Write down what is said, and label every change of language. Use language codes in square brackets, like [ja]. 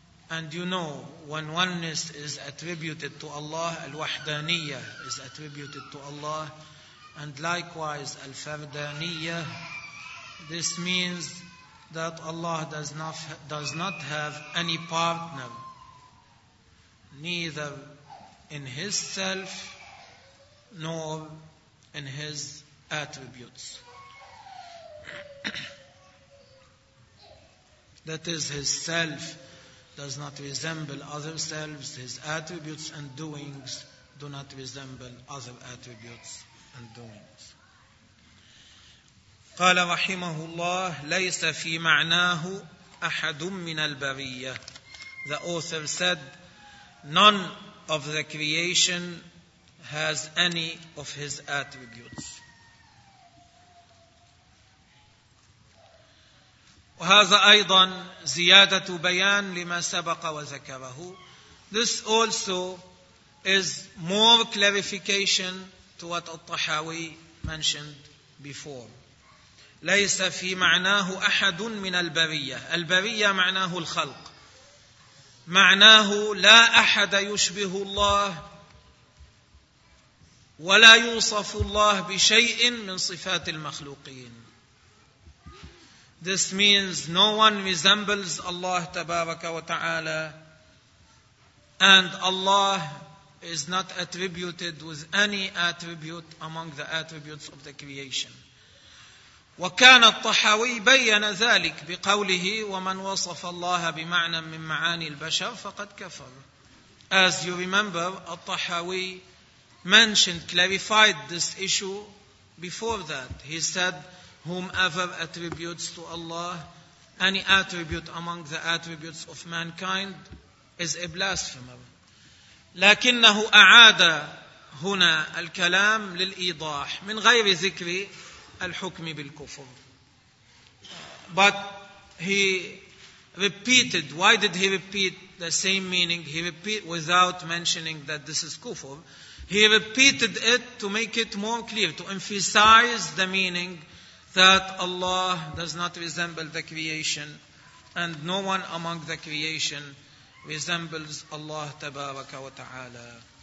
[en] And you know, when oneness is attributed to Allah, al-wahdaniyya is attributed to Allah, and likewise al-fardaniyya, this means that Allah does not have any partner, neither in His self nor in His attributes. That is, His self does not resemble other selves, His attributes and doings do not resemble other attributes and doings. [ar] قال رحمه الله ليس في معناه أحد من البرية. [en] The author said, none of the creation has any of his attributes. [ar] وهذا أيضا زيادة بيان لما سبق وذكره. [en] This also is more clarification to what al-Tahawi mentioned before. [ar] ليس في معناه أحد من البرية. البرية معناه الخلق. معناه لا أحد يشبه الله ولا يوصف الله بشيء من صفات المخلوقين. [en] This means no one resembles Allah [ar] تبارك وتعالى, [en] and Allah is not attributed with any attribute among the attributes of the creation. [ar] وكان الطحاوي بين ذلك بقوله ومن وصف الله بمعنى من معاني البشر فقد كفر. [en] As you remember, الطحاوي mentioned, clarified this issue before that. He said, whomever attributes to Allah any attribute among the attributes of mankind is a blasphemer. [ar] لكنه أعاد هنا الكلام للإيضاح من غير ذكر الحكم بالكفر. [en] But he repeated, why did he repeat the same meaning? He repeat without mentioning that this is kufr. He repeated it to make it more clear, to emphasize the meaning that Allah does not resemble the creation, and no one among the creation resembles Allah [ar] تبارك وتعالى.